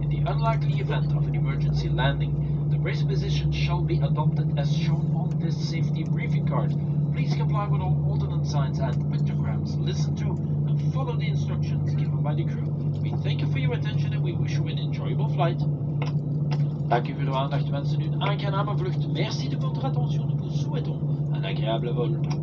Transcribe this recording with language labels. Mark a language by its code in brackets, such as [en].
[en] In the unlikely event of an emergency landing, the brace position shall be adopted as shown on this safety briefing card. Please comply with all ordnance signs and pictograms. Listen to and follow the instructions given by the crew. We thank you for your attention and we wish you an enjoyable flight. [nl] Dank u voor uw aandacht, wensen u een aangename vlucht. [fr] Merci de votre attention, nous vous souhaitons un agréable vol.